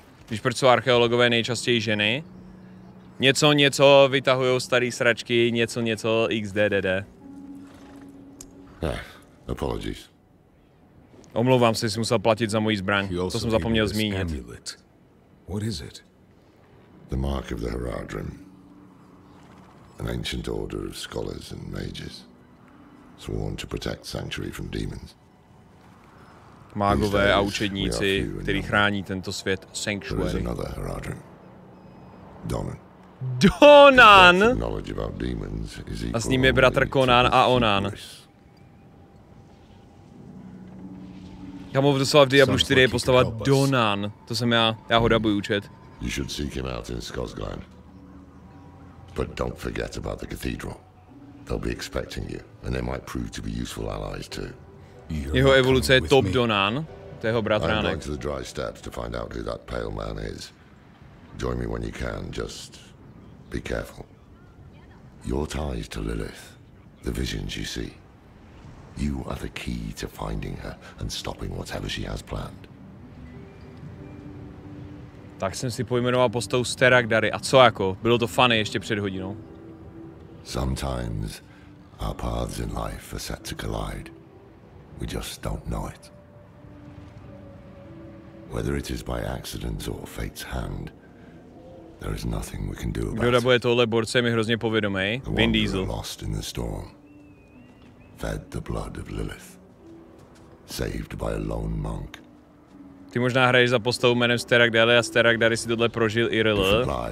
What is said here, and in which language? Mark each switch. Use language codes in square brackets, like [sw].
[cs] Víš, proč jsou archeologové nejčastěji ženy? Něco, něco vytahujou starý sračky, něco, něco XDDD. [en] Apologies. [cs] Omlouvám se, jsi musel platit za moji zbraň. To jsem zapomněl zmínit. [en] What is it? The mark of the Haradrim. An ancient order of scholars and mages. Sworn to protect sanctuary from demons. [cs] Mágové a učedníci, kteří chrání tento svět sanctuary. [en] There is another Haradrim. Donan. Donan! Knowledge about demons is equal. [cs] A s ním je bratr Conan a Onan. Já mám doslova v Diablu 4 je postava Donan. To jsem já ho dabuju učet. [en] You should seek him out in Skosglen. But don't forget about the cathedral. They'll be expecting you, and they might prove to be useful allies too. [cs] Jeho evoluce je top Donan, to jeho bratránek. [en] I'm going to the dry steps to find out who that pale man is. Join me when you can, just be careful. Your ties to Lilith, the visions you see. You are the key to finding her and stopping whatever she has planned. [cs] Tak jsem si pojmenoval postou Steragdary. A co jako? Bylo to funny ještě před hodinou. [en] Sometimes our paths in life are set to collide. We just don't know it. Whether it is by accident or fate's hand, there is nothing we can do about it. [cs] Kdo dabuje tohle borce, mi hrozně povědomej. Vin Diesel. [en] Lost in the storm. Fed the blood of Lilith. Saved by a lone monk. [cs] Ty možná hraješ za postavu jménem Steragdary a Steragdary si tohle prožil i RL.